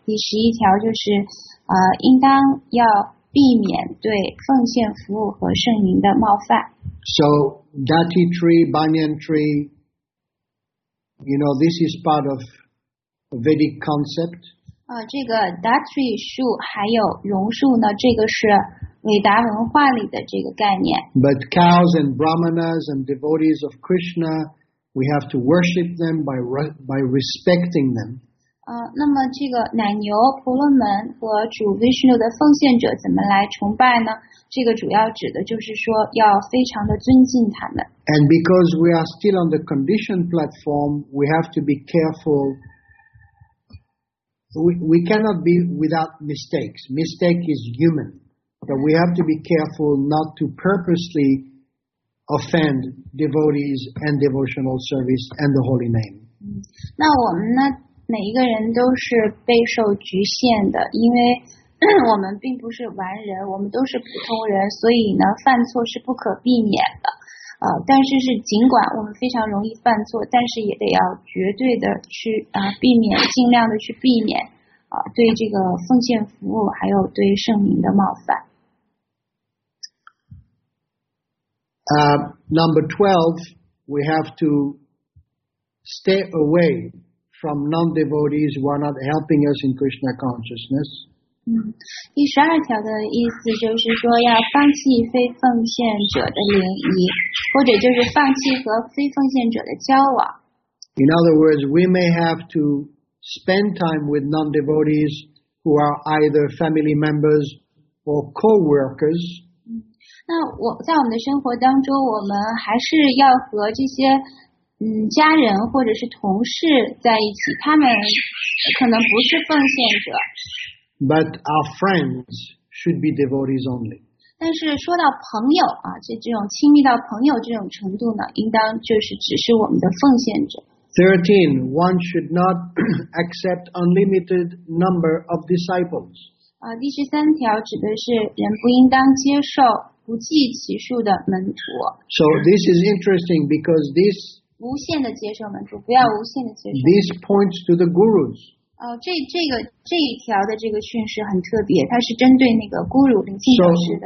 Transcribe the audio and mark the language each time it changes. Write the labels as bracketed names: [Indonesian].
[Chinese] 第十一条就是，应当要避免对奉献服务和圣灵的冒犯。 [English] So Datri tree, Banyan tree, you know, this is part of. Vedic concept. [Chinese] 这个 Datri 树还有榕树呢，这个是韦达文化里的这个概念。 [English] But cows and brahmanas and devotees of Krishna, we have to worship them by respecting them. [Chinese] 那么这个奶牛、婆罗门和主 Vishnu 的奉献者怎么来崇拜呢？这个主要指的就是说要非常的尊敬他们。 [English] And because we are still on the condition platform, we have to be careful. We cannot be without mistakes. Mistake is human. But we have to be careful not to purposely offend devotees and devotional service and the holy name. [Chinese] 那我们呢，每一个人都是备受局限的，因为我们并不是完人，我们都是普通人，所以呢，犯错是不可避免的。但是是尽管我们非常容易犯错，但是也得要绝对的去避免，尽量的去避免对这个奉献服务还有对圣灵的冒犯。 [English] Number 12, we have to stay away from non-devotees who are not helping us in Krishna consciousness. [Chinese] 第十二条的意思就是说要放弃非奉献者的联谊，或者就是放弃和非奉献者的交往。 [English] In other words, we may have to spend time with non-devotees who are either family members or co-workers. [Chinese] 那我在我们的生活当中，我们还是要和这些家人或者是同事在一起，他们可能不是奉献者。 [English] But our friends should be devotees only. [Chinese] 但是说到朋友啊，就这种亲密到朋友这种程度呢，应当就是只是我们的奉献者。 [English] 13, one should not accept unlimited number of disciples. [Chinese] 第十三条指的是人不应当接受不计其数的门徒。 [English] So this is interesting because this [Chinese] 无限的接受门徒，不要无限的接受。 [English] This points to the gurus. [Chinese] 这一条的这个训示很特别，它是针对那个 guru 灵性导师的。